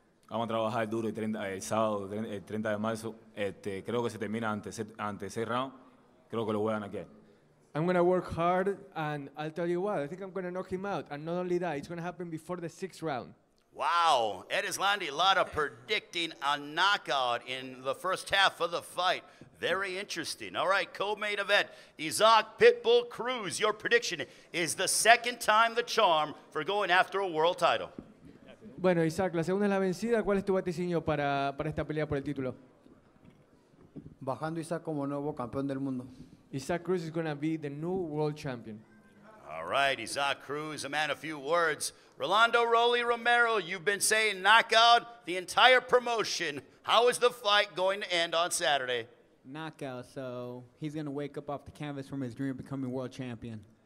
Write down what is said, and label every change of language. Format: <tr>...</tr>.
<es>Vamos a trabajar duro el sábado, el 30 de marzo. Creo que se termina antes seis rounds. Creo que lo voy a ganar.</es> <en>I'm going to work hard, and I'll tell you what, I think I'm going to knock him out. And not only that, it's going to happen before the sixth round. Wow. Erislandy Lara predicting a knockout in the first half of the fight. Very interesting. All right, co-main event, Isaac Pitbull Cruz. Your prediction is the second time the charm for going after a world title.</en> <es>Bueno, Isaac, la segunda es la vencida. ¿Cuál es tu vaticinio para esta pelea por el título? Bajando Isaac como nuevo campeón del mundo.</es> <en>Isaac Cruz is going to be the new world champion. All right, Isaac Cruz, a man of few words. Rolando Rolly Romero, you've been saying knockout the entire promotion. How is the fight going to end on Saturday? Knockout, so he's going to wake up off the canvas from his dream of becoming world champion.</en>